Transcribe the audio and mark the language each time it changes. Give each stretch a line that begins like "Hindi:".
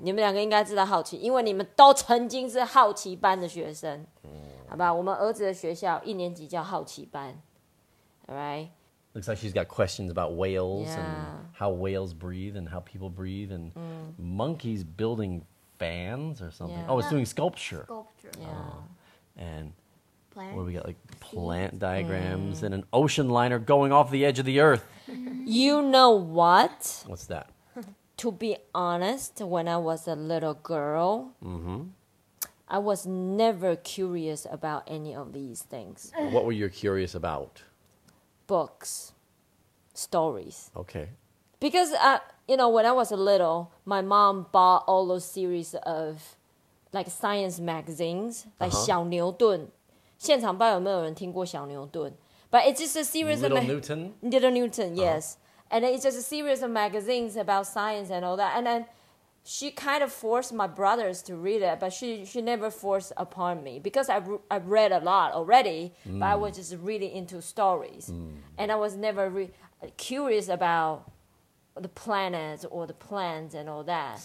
Chinese: 你们两个应该知道好奇，因为你们都曾经是好奇班的学生。好吧，我们儿子的学校一年级叫好奇班。
English: All right. Looks like she's got questions about whales and how whales breathe and how people breathe and monkeys building fans or something. Yeah. Oh, it's doing sculpture. And plants. What do we got? Like plant diagrams and an ocean liner going off the edge of the earth. You know what? What's that? To be honest, when I was a little girl, I was never curious about any of these things. What were you curious about? Books, stories. Okay. Because, you know, when I was little, my mom bought all those series of, like, science magazines, like 小牛顿。
Chinese: 现场不知道有没有人听过小牛顿。
English: But it's just a series little of... Little Newton? Little Newton, yes. And it's just a series of magazines about science and all that. And then she kind of forced my brothers to read it, but she never forced upon me. Because I've read a lot already, but I was just really into stories. And I was never curious about the planets or the plants and all that.